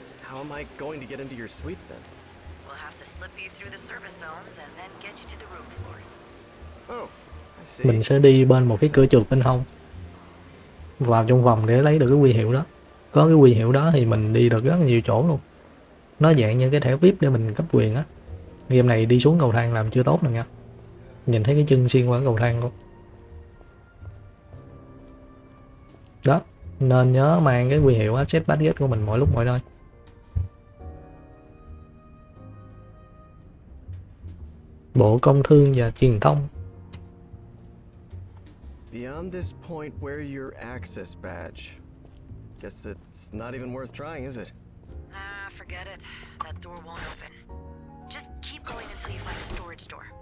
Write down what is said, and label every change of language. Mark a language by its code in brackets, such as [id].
[en] How am I going to get into your suite then? We'll have to slip you through the service zones and then get you to the room floors. Oh, I see. [vi] Mình sẽ đi bên một cái cửa trượt bên hông. Vào trong vòng để lấy được cái huy hiệu đó. Có cái huy hiệu đó thì mình đi được rất là nhiều chỗ luôn. Nó dạng như cái thẻ VIP để mình cấp quyền á. Game này đi xuống cầu thang làm chưa tốt nè nha. Nhìn thấy cái chân xuyên qua cầu thang luôn. Đó, nên nhớ mang cái huy hiệu Access Badges của mình mọi lúc mọi nơi. Bộ công thương và truyền thông. [en] Beyond this point, where are your access badge? Guess it's not even worth trying, is it? Ah, forget it. That door won't open. Just keep going until you find a storage door.